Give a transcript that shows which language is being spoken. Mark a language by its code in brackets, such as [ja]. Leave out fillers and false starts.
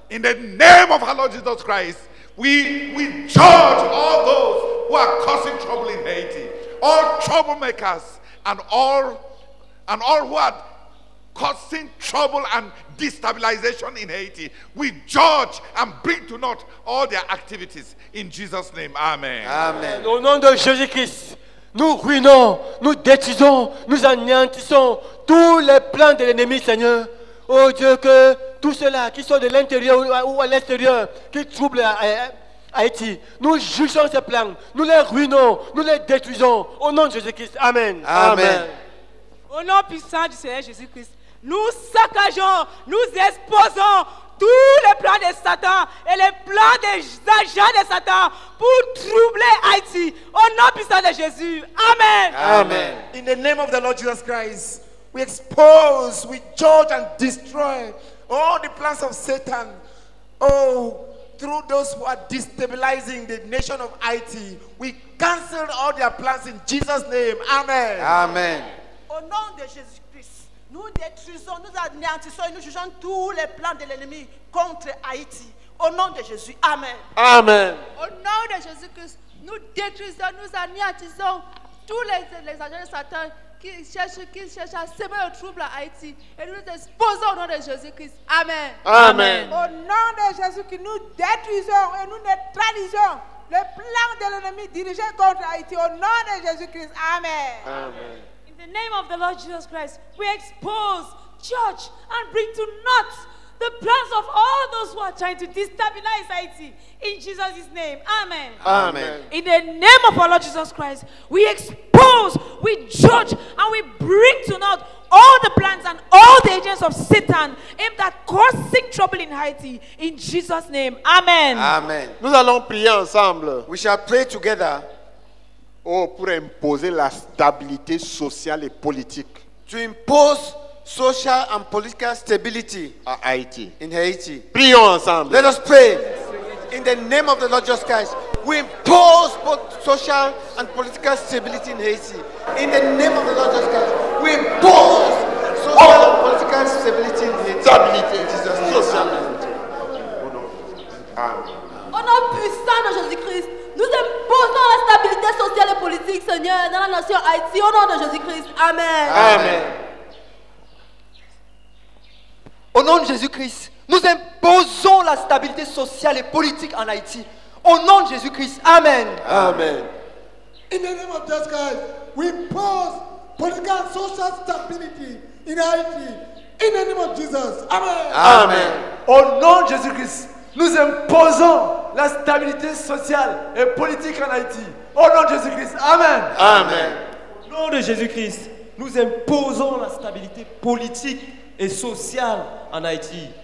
[en] In the name of our Lord Jesus Christ, we judge all those who are causing trouble in Haiti, all troublemakers, and all who are causing trouble and destabilization in Haiti. We judge and bring to naught all their activities. In Jesus' name, amen. Amen. [fr] Au nom de Jésus-Christ, nous ruinons, nous détruisons, nous anéantissons tous les plans de l'ennemi, Seigneur. Oh Dieu, que tout cela qui sort de l'intérieur ou à l'extérieur, qui trouble Haïti, nous jugeons ces plans, nous les ruinons, nous les détruisons. Au nom de Jésus-Christ, amen. Amen. Au nom puissant du Seigneur Jésus-Christ, nous saccageons, nous exposons tous les plans de Satan et les plans des agents de Satan pour troubler Haïti. Au nom puissant de Jésus, amen. Amen. [en] In the name of the Lord Jesus Christ, we expose, we judge and destroy all the plans of Satan. Oh, through those who are destabilizing the nation of Haiti, we cancel all their plans in Jesus' name. Amen. Amen. [fr] Au nom de Jésus-Christ, nous détruisons, nous anéantissons et nous jugeons tous les plans de l'ennemi contre Haïti. Au nom de Jésus, amen. Amen. Au nom de Jésus-Christ, nous détruisons, nous anéantissons tous les agents de Satan qui cherchent à semer le trouble à Haïti. Et nous exposons au nom de Jésus-Christ. Amen. Amen. Au nom de Jésus-Christ, nous détruisons et nous neutralisons les plans de l'ennemi dirigé contre Haïti. Au nom de Jésus-Christ, amen. Amen. [en] In the name of the Lord Jesus Christ, we expose, judge, and bring to naught the plans of all those who are trying to destabilize Haiti. In Jesus' name, amen. Amen. In the name of our Lord Jesus Christ, we expose, we judge, and we bring to naught all the plans and all the agents of Satan aimed at causing trouble in Haiti. In Jesus' name, amen. Amen. [fr] Nous allons prier ensemble. [en] We shall pray together. [fr] Oh, pour imposer la stabilité sociale et politique. [en] To impose social and political stability [fr] à Haïti. [en] In Haiti. [fr] Prions ensemble. [en] Let us pray. In the name of the Lord Jesus Christ, we impose both social and political stability in Haiti. In the name of the Lord Jesus Christ, we impose social and political stability in Haiti. [fr] Stabilité. Jesus social. Au nom puissant de Jésus-Christ, nous imposons la stabilité sociale et politique, Seigneur, dans la nation Haïti, au nom de Jésus-Christ. Amen. Amen. Au nom de Jésus-Christ, nous imposons la stabilité sociale et politique en Haïti. Au nom de Jésus-Christ. Amen. Amen. [en] In the name of Jesus Christ, we impose political and social stability in Haïti. In the name of Jesus. Amen. Amen. [fr] Au nom de Jésus-Christ, nous imposons la stabilité sociale et politique en Haïti. Au nom de Jésus-Christ, amen. Amen. Au nom de Jésus-Christ, nous imposons la stabilité politique et sociale en Haïti.